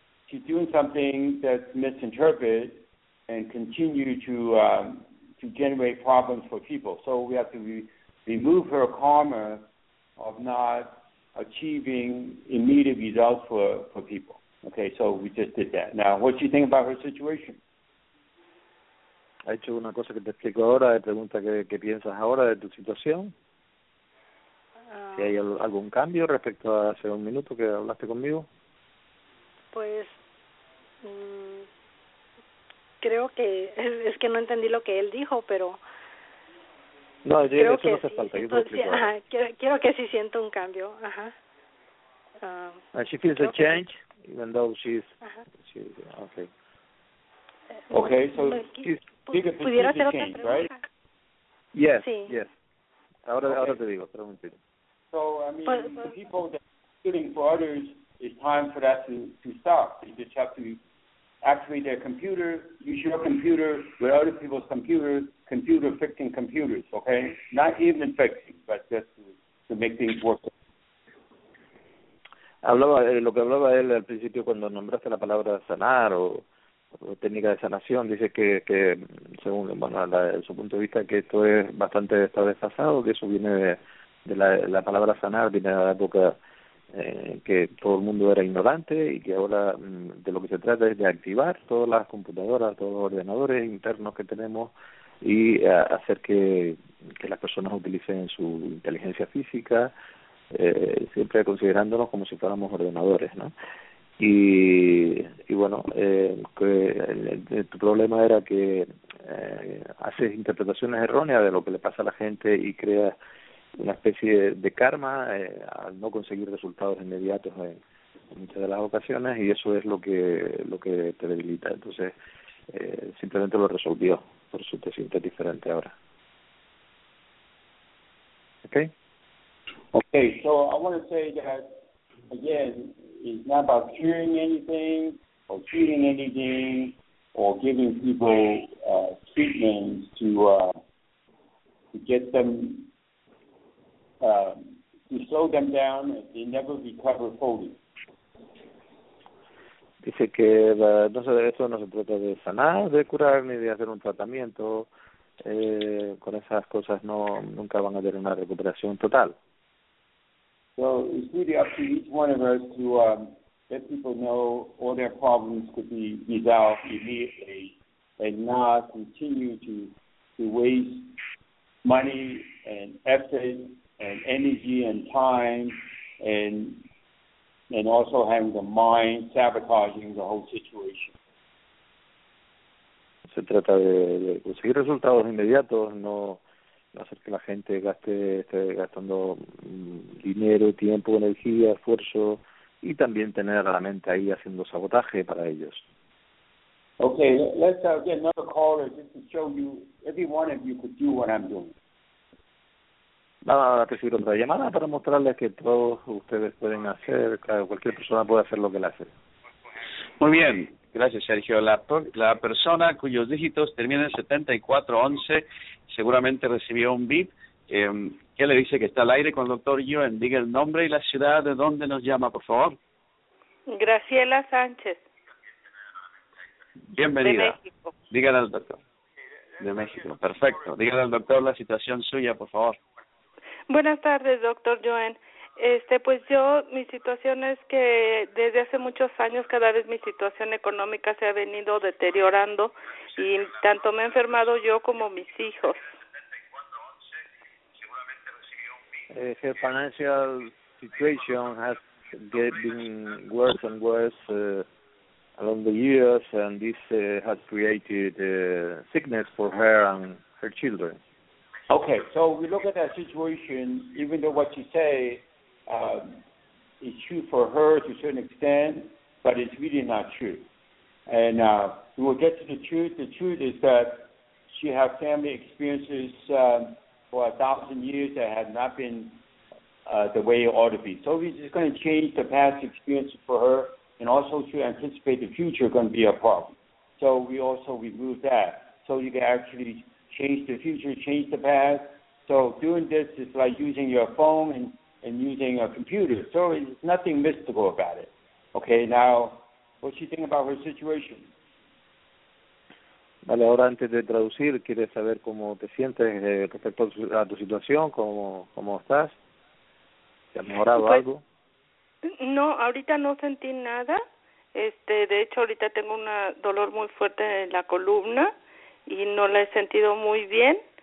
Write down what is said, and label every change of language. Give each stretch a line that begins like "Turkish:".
English: to doing something that's misinterpreted and continue to generate problems for people. So we have to remove her karma of not achieving immediate results for people. Okay, so we just did that. Now, what do you think about her situation?
Spanish: ¿Ha hecho una cosa que te explico ahora? ¿Te pregunta qué piensas ahora de tu situación? ¿Si hay algún cambio respecto a hace un minuto que hablaste conmigo? Pues, creo que, es que no entendí lo que él dijo, pero... No, yo, creo eso que no hace sí, falta, yo te lo explico. Ajá, quiero que sí siento un cambio, ajá.
English: She feels a change,
Spanish: que...
English: even though she's...
Spanish: Ajá.
English: She, okay. Okay, so she's...
Spanish: ¿Pudiera hacer otra pregunta?
English: Right? Yes,
Spanish: sí.
English: Yes.
Spanish: Ahora, okay. Ahora te digo, pero mentira.
English: So, I mean, the people that are feeling for others, it's time for that to stop. You just have to activate their computer, use your computer with other people's computers, computer fixing computers, okay? Not even fixing, but just to make things work.
Spanish: Hablaba, lo que hablaba él al principio cuando nombraste la palabra sanar o... técnica de sanación, dice que según bueno, su punto de vista que esto es bastante está desfasado, que eso viene de la palabra sanar, viene de la época que todo el mundo era ignorante y que ahora de lo que se trata es de activar todas las computadoras, todos los ordenadores internos que tenemos y hacer que las personas utilicen su inteligencia física, siempre considerándonos como si fuéramos ordenadores, ¿no? Y bueno, que tu problema era que haces interpretaciones erróneas de lo que le pasa a la gente y creas una especie de karma al no conseguir resultados inmediatos en muchas de las ocasiones y eso es lo que te debilita. Entonces, simplemente lo resolvió, por eso te sientes diferente ahora. ¿Okay?
English: Okay, so I want to say that again, it's not about curing anything or treating anything or giving people treatments to get them to slow them down. They never recover fully.
Spanish: Dice que no sé, eso no se trata de sanar, de curar ni de hacer un tratamiento. Con esas cosas no nunca van a tener una recuperación total.
English: So it's really up to each one of us to let people know all their problems could be resolved immediately and not continue to waste money and effort and energy and time and also having the mind sabotaging the whole situation.
Spanish: Se trata de conseguir resultados inmediatos, no... hacer que la gente esté gastando dinero, tiempo, energía, esfuerzo y también tener a la mente ahí haciendo sabotaje para ellos.
English: Okay, let's get another caller just to show you, every one of you could do what I'm doing.
Spanish: Vamos a recibir otra llamada para mostrarles que todos ustedes pueden hacer, claro, cualquier persona puede hacer lo que le hace. Muy bien. Gracias, Sergio. La persona cuyos dígitos terminan en 7411 seguramente recibió un beep. ¿Qué le dice que está al aire con el doctor Yuen? Diga el nombre y la ciudad de donde nos llama, por favor. Graciela Sánchez. Bienvenida. De México. Dígale al doctor. De México, perfecto. Dígale al doctor la situación suya, por favor. Buenas tardes, doctor Yuen. Pues yo, mi situación es que desde hace muchos años cada vez mi situación económica se ha venido deteriorando y tanto me he enfermado yo como mis hijos.
English: Her financial situation has been worse and worse along the years and this has created sickness for her and her children. Okay, so we look at that situation, even though what you say it's true for her to a certain extent, but it's really not true. And we will get to the truth. The truth is that she has family experiences for 1,000 years that have not been the way it ought to be. So we're just going to change the past experiences for her and also to anticipate the future going to be a problem. So we also remove that. So you can actually change the future, change the past. So doing this is like using your phone and using a computer, so it's nothing mystical about it. Okay, now What she think about her situation?
Spanish: Vale, ahora antes de traducir, ¿quieres saber cómo te sientes respecto a tu situación? ¿Cómo estás? ¿Te ha mejorado algo? No, ahorita no sentí nada. De hecho, ahorita tengo un dolor muy fuerte en la columna y no la he sentido muy bien.